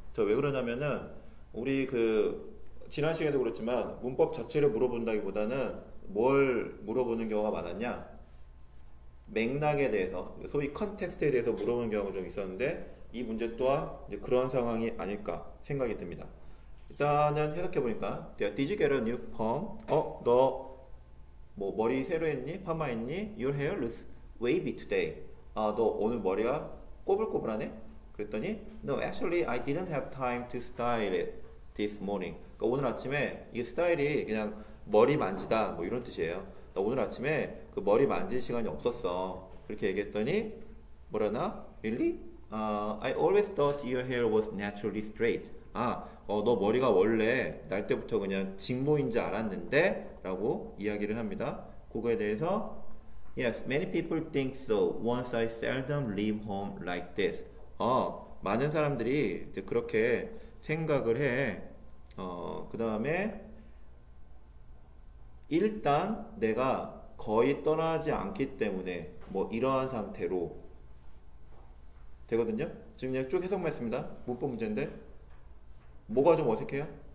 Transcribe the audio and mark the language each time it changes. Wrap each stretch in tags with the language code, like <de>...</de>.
<ko>저왜 그러냐면은 우리 그 지난 시간에도 그렇지만 문법 자체를 물어본다기보다는 뭘 물어보는 경우가 많았냐? 맥락에 대해서, 소위 컨텍스트에 대해서 물어보는 경우가 좀 있었는데 이 문제 또한 이제 그런 상황이 아닐까 생각이 듭니다. 일단은 해석해 보니까</ko> <en>Did you get a new perm?</en> <ko>너뭐 머리 새로 했니? 파마 했니?</ko> <en>Your hair looks wavy today.</en> <ko>너 오늘 머리가 꼬불꼬불하네? 그랬더니</ko> <en>No, actually, I didn't have time to style it this morning.</en> <ko>그러니까 오늘 아침에 이 스타일이 그냥 머리 만지다 뭐 이런 뜻이에요. 나 오늘 아침에 그 머리 만질 시간이 없었어. 그렇게 얘기했더니 뭐라나?</ko> <en>Really? I always thought your hair was naturally straight.</en> <ko>너 머리가 원래 날 때부터 그냥 직모인 줄 알았는데? 라고 이야기를 합니다. 그거에 대해서</ko> <en>Yes, many people think so. Once I seldom leave home like this.</en> <ko>많은 사람들이 이제 그렇게 생각을 해. 그 다음에 일단 내가 거의 떠나지 않기 때문에 뭐 이러한 상태로 되거든요. 지금 그냥 쭉 해석만 했습니다. 문법 문제인데 뭐가 좀 어색해요?</ko>